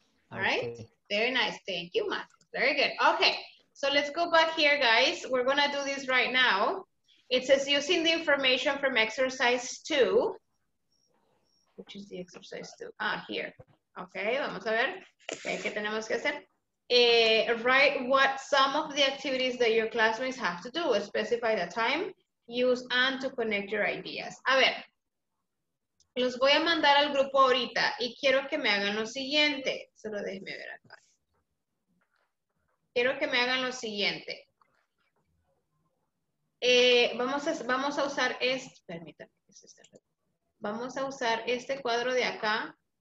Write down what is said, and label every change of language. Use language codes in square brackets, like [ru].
[en] All right? Okay. Very nice. Thank you, Marcos. Very good. Okay. So let's go back here, guys. We're going to do this right now. It says using the information from exercise 2. Which is the exercise 2? Ah, here. [es] Okay, vamos a ver qué tenemos que hacer. [en] Write what some of the activities that your classmates have to do. Specify the time, use and to connect your ideas. [es] A ver, los voy a mandar al grupo ahorita y quiero que me hagan lo siguiente. Solo déjenme ver acá. Quiero que me hagan lo siguiente. Vamos a usar este. Permítanme. Vamos a usar este cuadro de acá.